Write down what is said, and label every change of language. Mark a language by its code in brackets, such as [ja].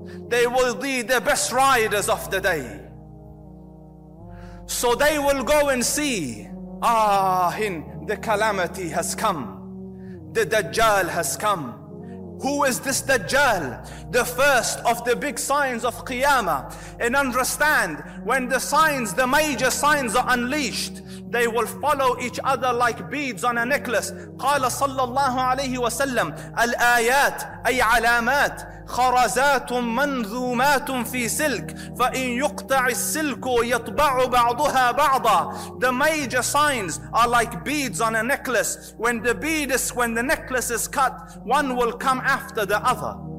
[en] They will be the best riders of the day. So they will go and see, the calamity has come. The Dajjal has come. Who is this Dajjal? The first of the big signs of Qiyamah. And understand, when the signs, the major signs are unleashed, they will follow each other like beads on a necklace. [ar] قَالَ صَلَّى اللَّهُ عَلَيْهِ وَسَلَّمَ الْآيَاتِ أَيْ عَلَامَاتِ خرزات منظومات في سلك فإن يقطع السلك يطبع بعضها بعضا. [en] The major signs are like beads on a necklace. When the necklace is cut, one will come after the other.